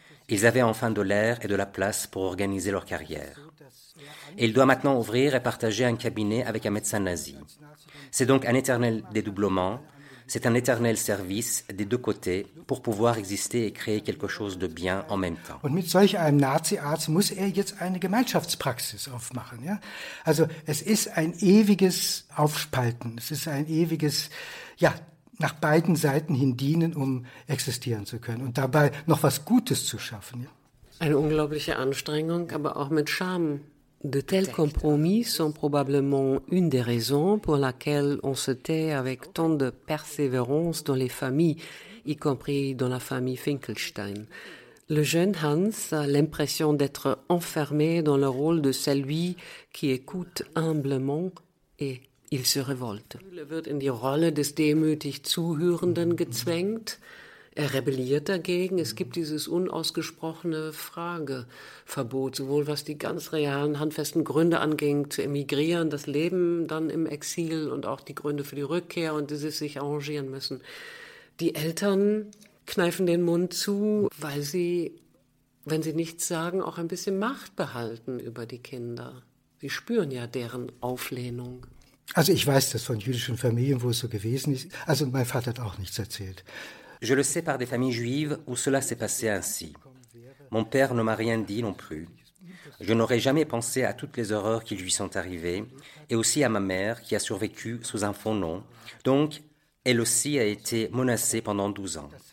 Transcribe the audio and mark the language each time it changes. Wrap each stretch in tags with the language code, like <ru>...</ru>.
<fr>Ils avaient enfin de l'air et de la place pour organiser leur carrière. Et il doit maintenant ouvrir et partager un cabinet avec un médecin nazi. C'est donc un éternel dédoublement, c'est un éternel service des deux côtés pour pouvoir exister et créer quelque chose de bien en même temps.</fr> <de>Und mit solch einem Nazi-Arzt muss jetzt eine Gemeinschaftspraxis aufmachen, ja? Also, es ist ein ewiges Aufspalten, es ist ein ewiges ja, nach beiden Seiten hin dienen, um existieren zu können und dabei noch was Gutes zu schaffen, ja? Eine unglaubliche Anstrengung, aber auch mit Charme.</de> <fr>De tels compromis sont probablement une des raisons pour laquelle on se tait avec tant de persévérance dans les familles, y compris dans la famille Finkelstein. Le jeune Hans a l'impression d'être enfermé dans le rôle de celui qui écoute humblement et il se révolte.</fr> <de>Er wird in die Rolle des demütig Zuhörenden gezwängt. Er rebelliert dagegen. Es gibt dieses unausgesprochene Frageverbot, sowohl was die ganz realen, handfesten Gründe anging, zu emigrieren, das Leben dann im Exil und auch die Gründe für die Rückkehr und dass sie sich arrangieren müssen. Die Eltern kneifen den Mund zu, weil sie, wenn sie nichts sagen, auch ein bisschen Macht behalten über die Kinder. Sie spüren ja deren Auflehnung. Also ich weiß das von jüdischen Familien, wo es so gewesen ist. Also mein Vater hat auch nichts erzählt.</de> <fr>Je le sais par des familles juives où cela s'est passé ainsi. Mon père ne m'a rien dit non plus. Je n'aurais jamais pensé à toutes les horreurs qui lui sont arrivées et aussi à ma mère qui a survécu sous un faux nom. Donc, elle aussi a été menacée pendant 12 ans.</fr>